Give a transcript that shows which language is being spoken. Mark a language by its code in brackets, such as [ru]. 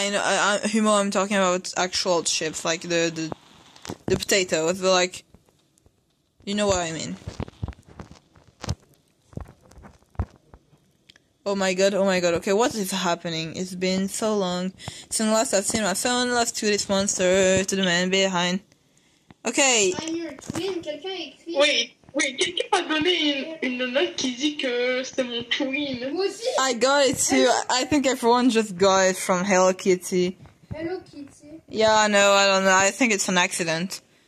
[en] Yeah, Humo, I'm talking about actual chips, like the potatoes, but like, you know what I mean. Oh my god, okay, what is happening? It's been so long since last I've seen my phone, left to this monster, to the man behind. Okay. I'm your twin, [fr] quelqu'un écrit. Wait, quelqu'un a donné une note qui dit que c'est mon twin. Moi aussi. [en] I got it too. I think everyone just got it from Hello Kitty. Hello Kitty. Yeah, no, I don't know. I think it's an accident.